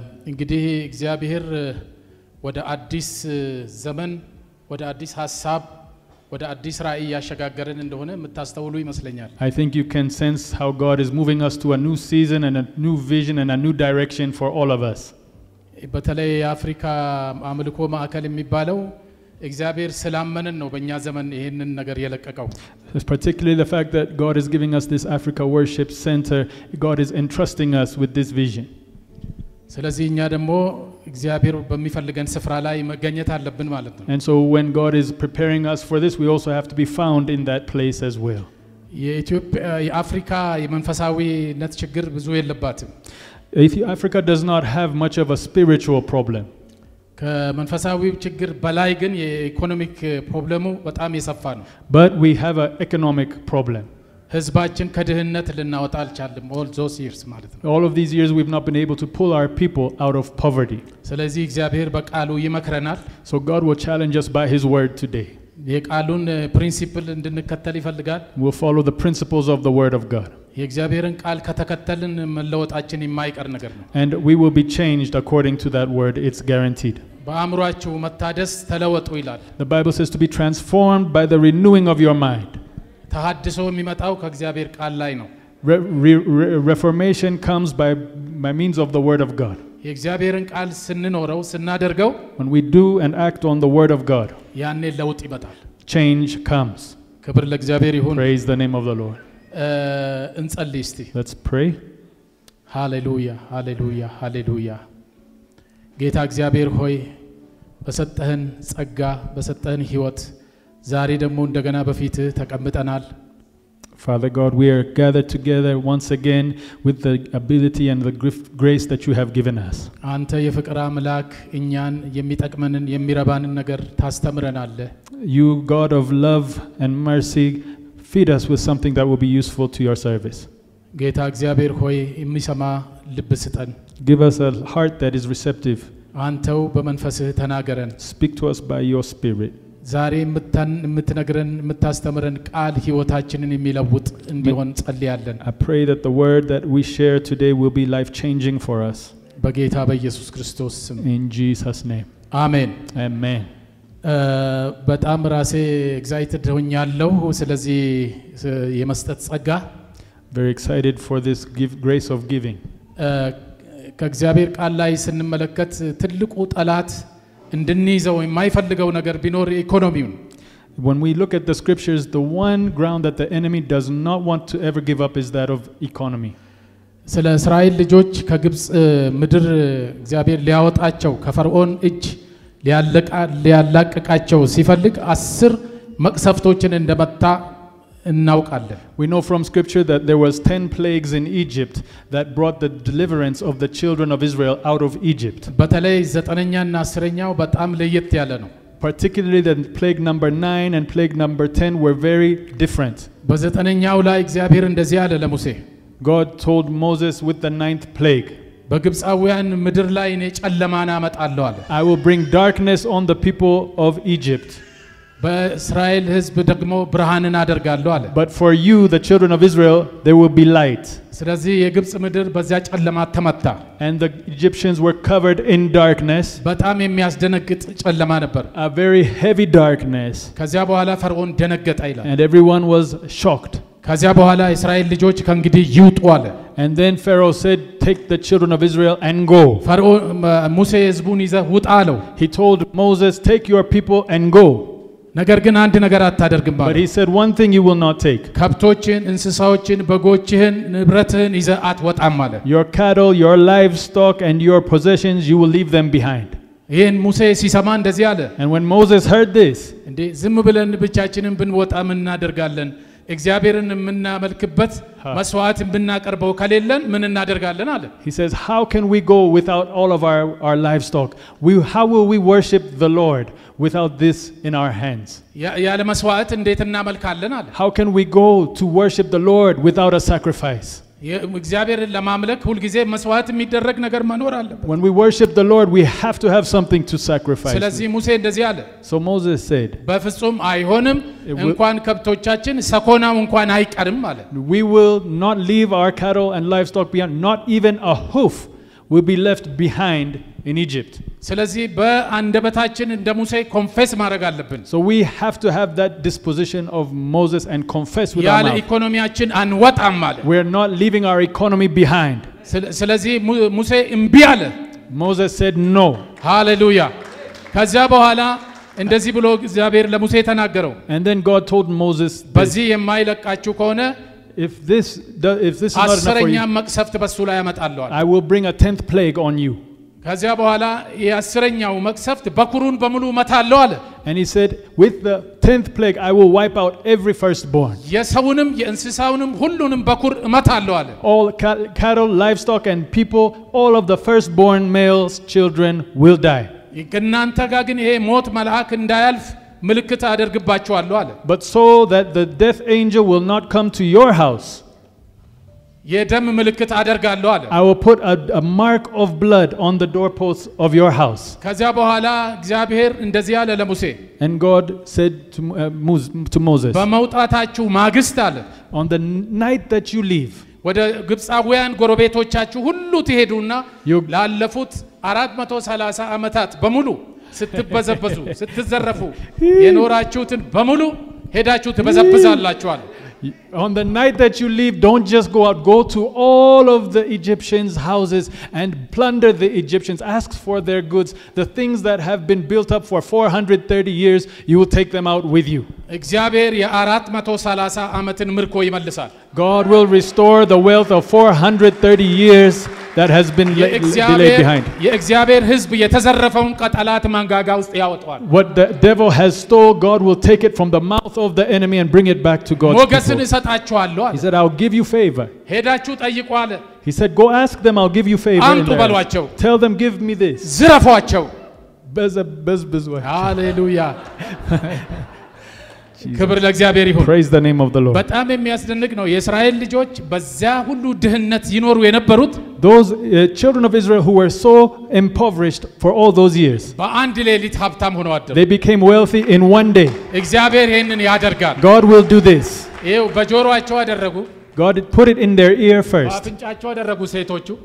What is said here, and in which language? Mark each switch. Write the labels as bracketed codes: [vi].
[am] እንግዲህ እግዚአብሔር ወደ አዲስ ዘመን ወደ አዲስ ሐሳብ ወደ አዲስ ራእይ ያሸጋገረን እንደሆነ መታስተውሉ ይመስለኛል. [en] I think you can sense how God is moving us to a new season and a new vision and a new direction for all of us. [am] በተለይ አፍሪካ አምልኮ ማዕከል የሚባለው እግዚአብሔር ሰላምመን ነው በእኛ ዘመን ይሄንን ነገር የለቀቀው. [en] Particularly the fact that God is giving us this Africa Worship Center, God is entrusting us with this vision. [am] ስለዚህ እኛ ደግሞ እግዚአብሔር በሚፈልገን ስፍራ ላይ መገኘት አለብን ማለት ነው. [en] And so when God is preparing us for this, we also have to be found in that place as well. [am] የኢትዮጵያ የአፍሪካ የመንፈሳዊነት ችግር ብዙ የለባትም. [en] If Africa does not have much of a spiritual problem. [am] ከመንፈሳዊ ችግር በላይ ግን የኢኮኖሚክ ፕሮብለሙ በጣም የሰፋ ነው. [en] But we have an economic problem. [am] ህዝባችን ከድህነት ልናወጣ አልቻለም. [en] All those years [am] ማለት ነው. [en] All of these years we've not been able to pull our people out of poverty. [am] ስለዚህ እግዚአብሔር በቃሉ ይመክረናል. [en] So God will challenge us by his word today. [am] የቃሉን principle እንድንከተል ይፈልጋል. [en] We'll follow the principles of the word of God. [am] የእግዚአብሔርን ቃል ከተከተልን መለወጣችን የማይቀር ነገር ነው. [en] And we will be changed according to that word. It's guaranteed. [am] በአምሯችሁ መታደስ ተለወጡ ይላል. [en] The Bible says to be transformed by the renewing of your mind. [am] ተሐድሶ የሚመጣው ከእግዚአብሔር ቃል ላይ ነው. [en] Reformation comes by means of the word of God. [am] የእግዚአብሔርን ቃል ስንኖረው ስናደርገው, [en] when we do and act on the word of God, [am] ያኔ ለውጥ ይመጣል. [en] Change comes. [am] ክብር ለእግዚአብሔር ይሁን. [en] Praise the name of the Lord. [am] እንጸልይ እስቲ. [en] Let's pray. Hallelujah, hallelujah, hallelujah. [am] ጌታ እግዚአብሔር ሆይ በሰጠህን ጸጋ በሰጠህን ህይወት ዛሬ ደግሞ እንደገና በፊት ተቀምጠናል. [en] Father God, we are gathered together once again with the ability and the grace that you have given us. [am] አንተ የፍቅር አምላክ እኛን የሚጠቅመንን የሚረባንን ነገር ታስተምረናል. [en] You God of love and mercy, feed us with something that will be useful to your service. [am] ጌታ እግዚአብሔር ሆይ የሚሰማ ልብ ስጠን. [en] Give us a heart that is receptive. [am] አንተው በመንፈስህ ተናገረን. [en] Speak to us by your spirit. [am] ዛሬ የምትነግረን የምታስተምረን ቃል ህይወታችንን የሚለውጥ እንዲሆን ጸልያለን. [en] I pray that the word that we share today will be life changing for us. [am] በጌታ በኢየሱስ ክርስቶስ ስም. [en] In Jesus name. [am] አሜን. አሜን. በጣም ራሴ excited ሆኛለሁ ስለዚህ የመስጠት ጸጋ. [en] Very excited for this grace of giving. [am] ከእግዚአብሔር ቃል ላይ ስንመለከት ትልቁ ጠላት እንድንይዘው የማይፈልገው ነገር ቢኖር ኢኮኖሚውን. [en] When we look at the scriptures, the one ground that the enemy does not want to ever give up is that of economy. [am] ስለ እስራኤል ልጆች ከግብጽ ምድር እግዚአብሔር ሊያወጣቸው ከፈርዖን እጅ ሊያላቀቃቸው ሲፈልግ 10 መቅሰፍቶችን እንደመጣ እናውቃለን. [en] We know from scripture that there was 10 plagues in Egypt that brought the deliverance of the children of Israel out of Egypt. [am] በተለይ 9ኛ እና 10ኛው በጣም ለየት ያለ ነው. [en] Particularly the plague number 9 and plague number 10 were very different. [am] በ9ኛው ላይ እግዚአብሔር እንደዚህ አለ ለሙሴ. [en] God told Moses with the 9th plague. [am] በግብጻውያን ምድር ላይ እኔ ጨለማን አመጣለሁ አለ. [en] I will bring darkness on the people of Egypt. [am] በእስራኤል ህዝብ ደግሞ ብርሃንን አደርጋለሁ አለ. [en] But for you the children of Israel there will be light. [am] ስለዚህ የግብጽ ምድር በዚያ ጨለማ ተመታ. [en] And the Egyptians were covered in darkness. [am] በጣም የሚያስደነግጥ ጨለማ ነበር. [en] A very heavy darkness. [am] ከዚያ በኋላ ፈርዖን ደነገጠ ይላል. [en] And everyone was shocked. [am] ከዚያ በኋላ እስራኤል ልጆች ከንግዲ ይውጡ አለ. [en] And then Pharaoh said, take the children of Israel and go. [am] ፈርዖን ሙሴ ህዝቡን ይዘ ውጣ አለ. [en] He told Moses, take your people and go. [am] ነገር ግን አንድ ነገር አታደርግም ባለ. [en] But he said one thing you will not take. [am] ከብቶችን እንስሳዎችን በጎችህን ንብረትህን ይዘ አትወጣም አለ. [en] Your cattle, your livestock and your possessions you will leave them behind. [am] ይህን ሙሴ ሲሰማ እንደዚህ አለ [en] and when Moses heard this [am] እንዴ ዝም ብለን ብቻችንን ብንወጣ ምን እናደርጋለን እግዚአብሔርን ምናመልክበት መስዋዕት ብናቀርበው ከሌለን ምን እናደርጋለን አለ [en] he says how can we go without all of our livestock how will we worship the Lord without this in our hands [am] ያለ መስዋዕት እንዴት እናመልካለን አለ [en] how can we go to worship the Lord without a sacrifice [am] የእግዚአብሔርን ለማምለክ ሁሉ ጊዜ መስዋዕት የሚደረግ ነገር መኖር አለበት [en] when we worship the Lord we have to have something to sacrifice [am] ስለዚህ ሙሴ እንደዚህ አለ [en] so Moses said [am] በፍጹም አይሆንም እንኳን ከብቶቻችን ሰኮናም እንኳን አይቀርም አለ [en] we will not leave our cattle and livestock behind not even a hoof will be left behind in Egypt [am] ስለዚህ በአንደበታችን እንደ ሙሴ ኮንፌስ ማድረግ አለብን [en] so we have to have that disposition of Moses and confess with our mouth [am] ያለ ኢኮኖሚያችን አንወጣም ማለት [en] we are not leaving our economy behind [am] ስለዚህ ሙሴ እንቢ አለ [en] Moses said no [am] hallelujah ከዚያ በኋላ እንደዚህ ብሎ እግዚአብሔር ለሙሴ ተናገረው [en] and then God told Moses [am] በዚህ የማይለቃችሁ ከሆነ [en] if this is not enough for you [am] አስረኛ መቅሰፍት በሱ ላይ አመጣለሁ [en] I will bring a 10th plague on you [am] ከዚያ በኋላ የአስረኛው መቅሰፍት በኩሩን በሙሉ መታለው አለ [en] and he said with the 10th plague I will wipe out every firstborn [am] የሰውንም የእንስሳውንም ሁሉንም በኩር መታለው አለ [en] all cattle livestock and people all of the firstborn males children will die [am] ይከናንተ ጋር ግን ይሄ ሞት መልአክ እንዳያልፍ ምልክት አደርግባችኋለሁ አለ [en] but so that the death angel will not come to your house [am] የደም ምልክት አደርጋለሁ አለ [en] I will put a mark of blood on the doorposts of your house [am] ከዚያ በኋላ እግዚአብሔር እንደዚህ አለ ለሙሴ [en] and God said to Moses [am] በመውጣታችሁ ማግስት አለ [en] on the night that you leave [am] ወደ ግብጻውያን ጎረቤቶቻችሁ ሁሉ ትሄዱና ላለፉት 430 አመታት በሙሉ ስትበዘበዙ ስትዘረፉ የኖራችሁትን በሙሉ ሄዳችሁ ትበዘብዛላችሁ አለ [en] On the night that you leave don't just go out go to all of the Egyptians houses and plunder the Egyptians ask for their goods the things that have been built up for 430 years you will take them out with you [am] እግዚአብሔር የ430 አመትን ምርኮ ይመልሳል [en] God will restore the wealth of 430 years that has been laid behind [am] የእግዚአብሔር ህዝብ የተዘረፈውን ቀጠላት ማንጋጋ ውስጥ ያወጣዋል [en] What the devil has stole God will take it from the mouth of the enemy and bring it back to God [am] ሞገስን እሰጣችኋለሁ [en] He said I'll give you favor [am] ሄዳችሁ ጠይቁ አለ [en] He said go ask them I'll give you favor [am] አንተ ባሏቸው [en] Tell them give me this [am] ዝረፏቸው በዝበዝበዝዋቸው Hallelujah ክብር ለእግዚአብሔር ይሁን [en] Praise the name of the Lord [am] በጣም የሚያስደንቅ ነው የእስራኤል ልጆች በዛ ሁሉ ድህነት ይኖሩ የነበሩት [en] Those children of Israel who were so impoverished for all those years [am] በአንድ ሌሊት ሀብታም ሆነው አደረ [en] They became wealthy in one day [am] እግዚአብሔር ይሄንን ያደርጋል [en] God will do this [am] ይሄው በጆሮአቸው አደረጉ [en] God put it in their ear first [am] አጥንጫቸው አደረጉ ሴቶቹ